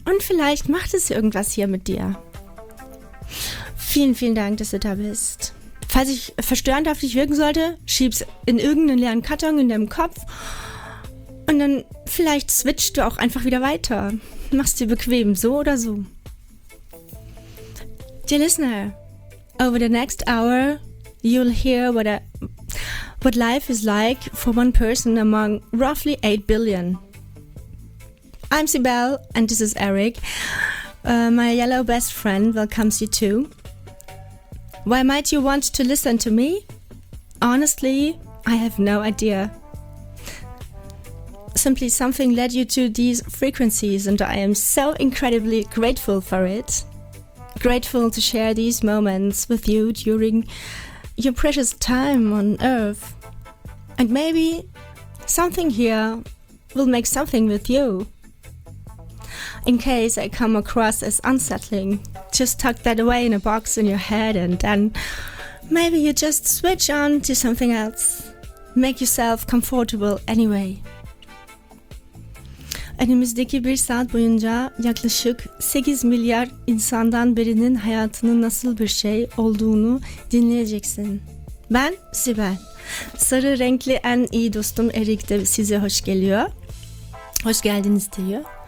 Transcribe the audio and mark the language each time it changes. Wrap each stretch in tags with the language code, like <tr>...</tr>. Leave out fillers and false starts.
<de>Und vielleicht macht es irgendwas hier mit dir. Vielen, vielen Dank, dass du da bist. Falls ich verstörend auf dich wirken sollte, schieb's in irgendeinen leeren Karton in deinem Kopf. Und dann vielleicht switchst du auch einfach wieder weiter. Mach's dir bequem, so oder so.</de> <en>Dear listener, over the next hour, you'll hear what life is like for one person among roughly 8 billion. I'm Sibel and this is Eric. My yellow best friend welcomes you too. Why might you want to listen to me? Honestly, I have no idea. Simply something led you to these frequencies and I am so incredibly grateful for it. Grateful to share these moments with you during your precious time on Earth. And maybe something here will make something with you. In case I come across as unsettling, just tuck that away in a box in your head and then maybe you just switch on to something else. Make yourself comfortable anyway.</en> <tr>Önümüzdeki bir saat boyunca yaklaşık 8 milyar insandan birinin hayatının nasıl bir şey olduğunu dinleyeceksin. Ben Sibel. Sarı renkli en iyi dostum Eric de size hoş geliyor. Hoş geldiniz diyor.</tr>